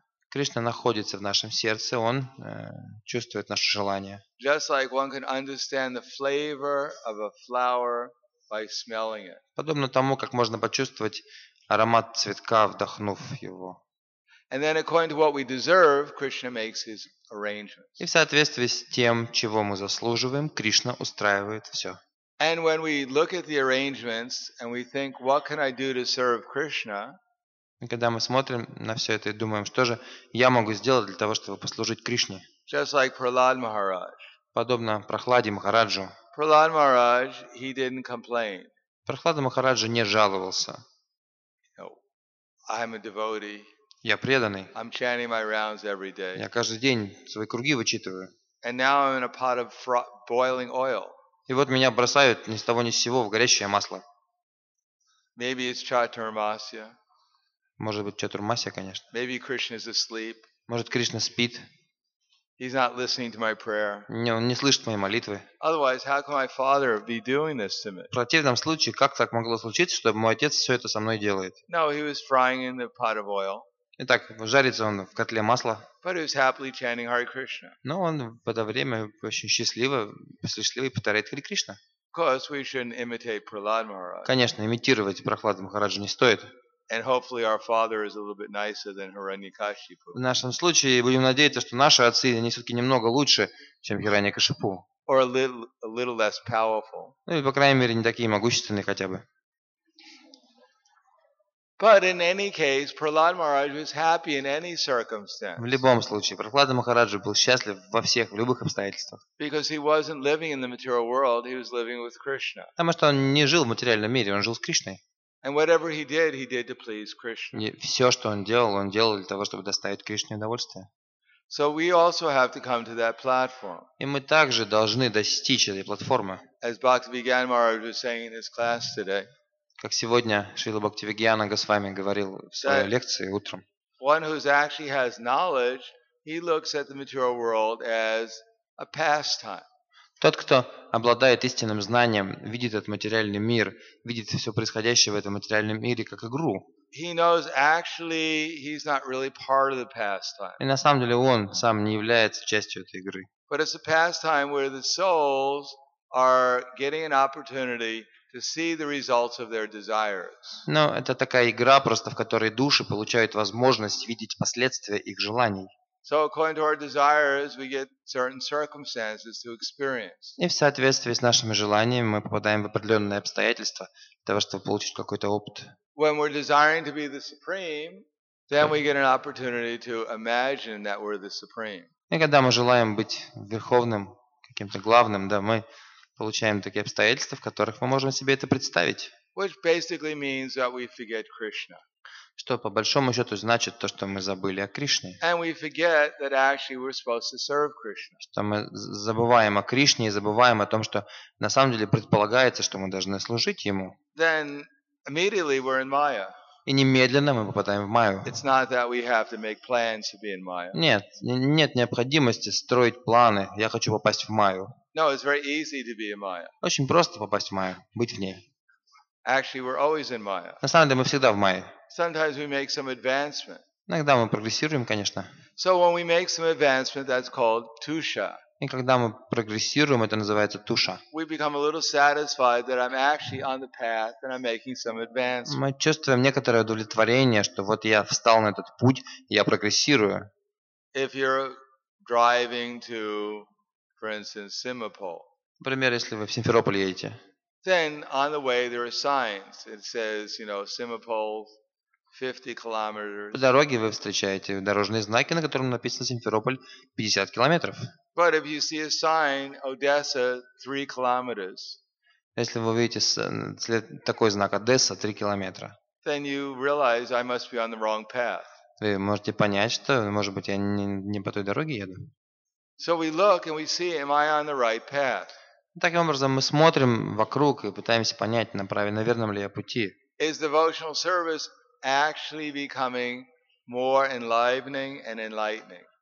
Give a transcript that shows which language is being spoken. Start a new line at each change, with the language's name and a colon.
Russian: Кришна находится в нашем сердце, Он чувствует наше желание.
English: Just like one can understand the flavor of a flower by smelling it.
Russian: Подобно тому, как можно почувствовать аромат цветка, вдохнув его.
English: And then according to what we deserve, Krishna makes his arrangements.
Russian: И в соответствии с тем, чего мы заслуживаем, Кришна устраивает все.
English: And when we look at the arrangements and we think, what can I do to serve Krishna?
Russian: Когда мы смотрим на все это и думаем, что же я могу сделать для того, чтобы послужить Кришне?
English: Just like Prahlad Maharaj.
Russian: Подобно Прохладе Махараджу.
English: Prahlad Maharaj, he didn't complain.
Russian: Прохлада Махараджа не жаловался.
English: I'm a devotee.
Russian: Я преданный.
English: I'm chanting my rounds every day.
Russian: Я каждый день свои круги вычитываю.
English: And now I'm in a pot of boiling oil.
Russian: И вот меня бросают ни с того ни с сего в горящее масло.
English: Maybe it's Chaturmasya.
Russian: Может быть, Чатурмасия, конечно.
English: Maybe Krishna is asleep.
Russian: Может, Кришна спит.
English: He's not listening to my prayer.
Russian: Не, он не слышит моей молитвы.
English: Otherwise, how can my father be doing this to me?
Russian: В противном случае, как так могло случиться, что мой отец все это со мной делает?
English: No, he was frying in the pot of oil.
Russian: Итак, жарится он в котле масла.
English: But he was happily chanting Hare Krishna.
Russian: Но он в это время очень счастливый повторяет Хари Кришна.
English: Of course, we shouldn't imitate Prahlad Maharaj.
Russian: Конечно, имитировать Прохлада Махараджа не стоит.
English: And hopefully our father is a little bit nicer than Hiranyakashipu.
Russian: В нашем случае будем надеяться, что наши отцы они все-таки немного лучше, чем Хираньякашипу.
English: Or a little less powerful.
Russian: Ну и по крайней мере не такие могущественные хотя бы.
English: But in any case, Prahlad Maharaj was happy in any circumstance.
Russian: В любом случае, Прохлада Махараджа был счастлив во всех, в любых обстоятельствах.
English: Because he wasn't living in the material world, he was living with Krishna.
Russian: Потому что он не жил в материальном мире, он жил с Кришной.
English: And whatever he did to please Krishna.
Russian: Все, что он делал для того, чтобы доставить Кришне удовольствие.
English: So we also have to come to that platform.
Russian: И мы также должны достичь этой платформы.
English: As Bhaktivedanta Maharaj was saying in his class today.
Russian: Как сегодня Шрила Бхактивиджнана Госвами говорил в своей лекции утром.
English: One who actually has knowledge, he looks at the material world as a pastime.
Russian: Тот, кто обладает истинным знанием, видит этот материальный мир, видит все происходящее в этом материальном мире как игру.
English: He knows actually he's not really part of the pastime.
Russian: И на самом деле он сам не является частью этой игры.
English: But it's a pastime where the souls are getting an opportunity to see the results of their desires.
Russian: Но это такая игра просто, в которой души получают возможность видеть последствия их желаний.
English: So according to our desires, we get certain circumstances to experience.
Russian: И в соответствии с нашими желаниями мы попадаем в определенные обстоятельства для того, чтобы получить какой-то опыт.
English: When we're desiring to be the supreme, then we get an opportunity to imagine that we're the supreme.
Russian: И когда мы желаем быть верховным, каким-то главным, да, мы получаем такие обстоятельства, в которых мы можем себе это представить.
English: Which basically means that we forget Krishna.
Russian: Что по большому счету значит то, что мы забыли о Кришне.
English: And we forget that actually we're supposed to serve Krishna.
Russian: Что мы забываем о Кришне и забываем о том, что на самом деле предполагается, что мы должны служить ему.
English: Then immediately we're in Maya.
Russian: И немедленно мы попадаем в Майю.
English: It's not that we have to make plans to be in Maya.
Russian: Нет необходимости строить планы. Я хочу попасть в Майю.
English: No, it's very easy to be in Maya.
Russian: Очень просто попасть в Майю, быть в ней.
English: Actually, we're always in Maya.
Russian: На самом деле мы всегда в Майе.
English: Sometimes we make some advancement.
Russian: Иногда мы прогрессируем, конечно.
English: So when we make some advancement, that's called tusha.
Russian: И когда мы прогрессируем, это называется туша.
English: We become a little satisfied that I'm actually on the path and I'm making some advancement.
Russian: Мы чувствуем некоторое удовлетворение, что вот я встал на этот путь, я прогрессирую.
English: If you're driving to, for instance, Simferopol.
Russian: Например, если вы в Симферополь едете.
English: Then on the way there are signs. It says, you know, Simferopol 50 kilometers.
Russian: По дороге вы встречаете дорожные знаки, на котором написано Симферополь 50 километров.
English: But if you see a sign Odessa 3 kilometers.
Russian: Если вы видите такой знак Одесса 3 километра.
English: Then you realize I must be on the wrong path.
Russian: Вы можете понять, что, может быть, я не по той дороге еду.
English: So we look and we see, am I on the right path?
Russian: Таким образом мы смотрим вокруг и пытаемся понять, на верном ли я пути.
English: Is devotional service actually becoming more enlivening and enlightening?